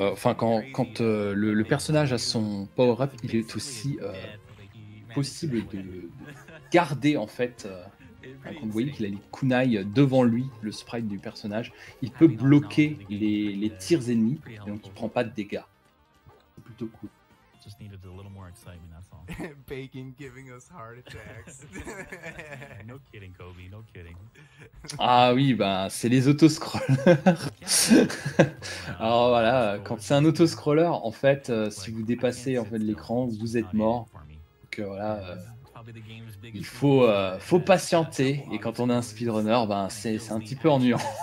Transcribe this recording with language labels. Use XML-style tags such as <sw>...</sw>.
<fr>Quand le personnage a son power-up, il est aussi possible de garder, en fait... Vous voyez qu'il a les kunai devant lui, le sprite du personnage. Il peut bloquer les tirs ennemis, donc il ne prend pas de dégâts. C'est plutôt cool.</fr> <en>Just needed a little more excitement, that's all. Bacon giving us heart attacks. No kidding, Kobe, no kidding.</en> <fr>Ah oui, bah, c'est les autoscrollers. Alors voilà, quand c'est un autoscroller, en fait, si vous dépassez en fait, l'écran, vous êtes mort. Donc voilà... Il faut patienter, et quand on est un speedrunner, ben c'est un petit peu ennuyant.</fr>